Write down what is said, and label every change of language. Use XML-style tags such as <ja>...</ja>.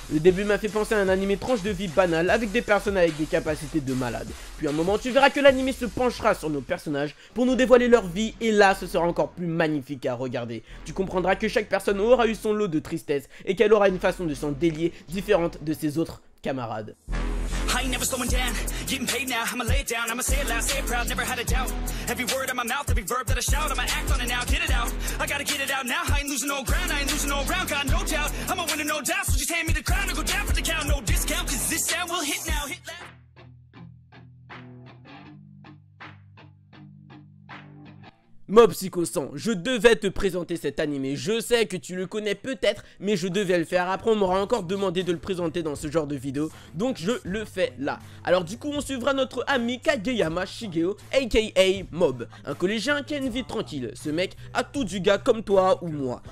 <fr>Le début m'a fait penser à un anime tranche de vie banal avec des personnes avec des capacités de malade. Puis un moment, tu verras que l'anime se penchera sur nos personnages pour nous dévoiler leur vie et là, ce sera encore plus magnifique à regarder. Tu comprendras que chaque personne aura eu son lot de tristesse et qu'elle aura une façon de s'en délier différente de ses autres camarades.</fr> <en>I ain't never slowing down, getting paid now, I'ma lay it down, I'ma say it loud, say it proud, never had a doubt. Every word in my mouth, every verb that I shout, I'ma act on it now, get it out. I gotta get it out now, I ain't losing no ground, I ain't losing no round, got no doubt. I'ma win it, no doubt, so just hand me the crown, I'll go down for the count, no discount, cause this sound will hit now, hit loud.</en> <fr>Mob Psycho 100, je devais te présenter cet animé, je sais que tu le connais peut-être, mais je devais le faire, après on m'aura encore demandé de le présenter dans ce genre de vidéo, donc je le fais là. Alors du coup on suivra notre ami Kageyama Shigeo, aka Mob, un collégien qui a une vie tranquille, ce mec a tout du gars comme toi ou moi.</fr>